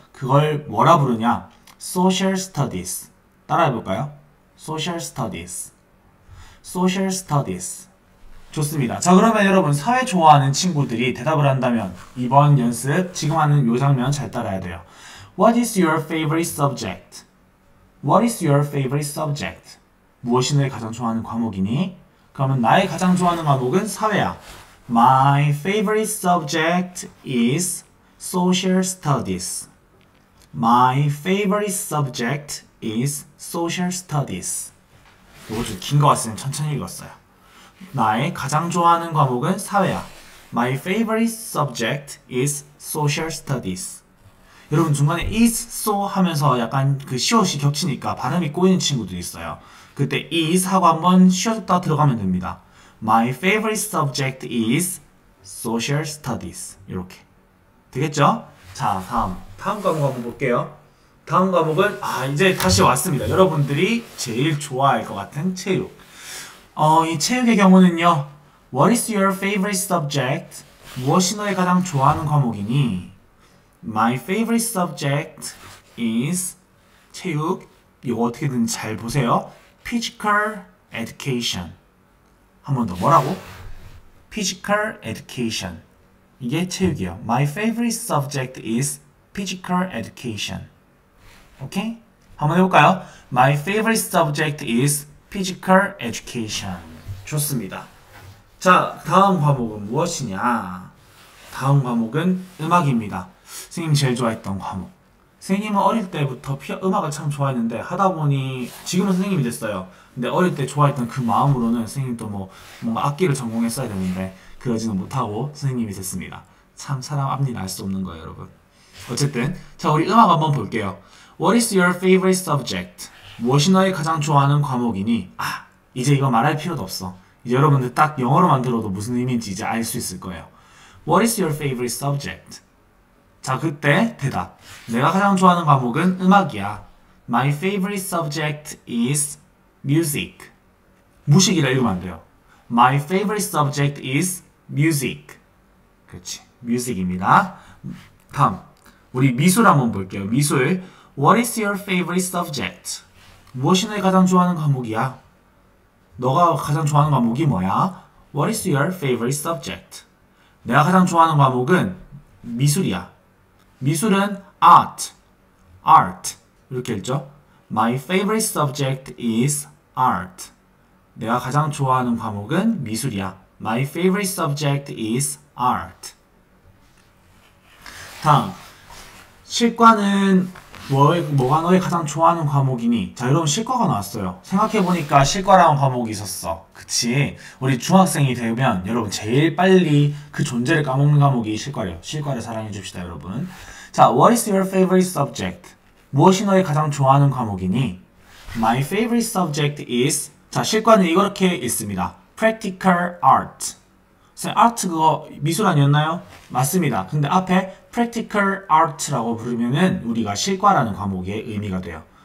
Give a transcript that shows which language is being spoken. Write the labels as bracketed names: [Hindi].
[Korean] 그걸 뭐라 부르냐? Social studies. 따라 해볼까요? [English] Social studies. Social studies. 좋습니다. [Korean] 자, 그러면 여러분, 사회 좋아하는 친구들이 대답을 한다면, 이번 연습, 지금 하는 요 장면 잘 따라야 돼요. [English] What is your favorite subject? What is your favorite subject? [Korean] 무엇이 너의 가장 좋아하는 과목이니? 그러면 나의 가장 좋아하는 과목은 사회야. [English] My favorite subject is social studies. My favorite subject is social studies. [Korean] 이거 좀긴거 같으니 천천히 읽었어요. 나의 가장 좋아하는 과목은 사회야. [English] My favorite subject is social studies. [Korean] 여러분, 중간에 is, so 하면서 약간 그 시옷이 겹치니까 발음이 꼬이는 친구도 있어요. 그때 is 하고 한번 쉬었다 들어가면 됩니다. [English] My favorite subject is social studies. [Korean] 이렇게. 되겠죠? 자, 다음 과목 한번 볼게요. 다음 과목은, 이제 다시 왔습니다. 여러분들이 제일 좋아할 것 같은 체육. 이 체육의 경우는요. [English] What is your favorite subject? [Korean] 무엇이 너의 가장 좋아하는 과목이니? [English] My favorite subject is 체육. [Korean] 이거 어떻게든 잘 보세요. Physical education. 한번 더. 뭐라고? Physical education. 이게 체육이요. [English] My favorite subject is physical education. [Korean] 오케이? 한번 해볼까요? [English] My favorite subject is physical education. [Korean] 좋습니다. 자, 다음 과목은 무엇이냐? 다음 과목은 음악입니다. 선생님이 제일 좋아했던 과목. 선생님은 어릴 때부터 음악을 참 좋아했는데 하다 보니 지금은 선생님이 됐어요. 근데 어릴 때 좋아했던 그 마음으로는 선생님도 뭔가 악기를 전공했어야 되는데 그러지는 못하고 선생님이 됐습니다. 참 사람 앞일 알수 없는 거예요, 여러분. 어쨌든 자, 우리 음악 한번 볼게요. What is your favorite subject? 무엇이 너의 가장 좋아하는 과목이니? 이제 이거 말할 필요도 없어. 이제 여러분들 딱 영어로만 들어도 무슨 의미인지 이제 알수 있을 거예요. What is your favorite subject? 자, 그때 대답. 내가 가장 좋아하는 과목은 음악이야. [English] My favorite subject is music. [Korean] 무식이라 읽으면 안 돼요. [English] My favorite subject is music. [Korean] 그렇지. music입니다. 다음. 우리 미술 한번 볼게요. 미술. [English] What is your favorite subject? [Korean] 무엇이 너의 가장 좋아하는 과목이야? 너가 가장 좋아하는 과목이 뭐야? [English] What is your favorite subject? [Korean] 내가 가장 좋아하는 과목은 미술이야. 미술은 art, art 이렇게 읽죠? [English] My favorite subject is art. [Korean] 내가 가장 좋아하는 과목은 미술이야. [English] My favorite subject is art. [Korean] 다음, 실과는 뭐가 너의 가장 좋아하는 과목이니? 자, 여러분 실과가 나왔어요. 생각해보니까 실과라는 과목이 있었어. 그치? 우리 중학생이 되면 여러분 제일 빨리 그 존재를 까먹는 과목이 실과래요. 실과를 사랑해줍시다, 여러분. [English] 자, what is your favorite subject? [Korean] 무엇이 너의 가장 좋아하는 과목이니? [English] My favorite subject is [Korean] 자, 실과는 이렇게 있습니다. [English] Practical art. [Korean] 선생님, art 그거 미술 아니었나요? 맞습니다. 근데 앞에 practical art라고 부르면은 우리가 실과라는 과목의 의미가 돼요.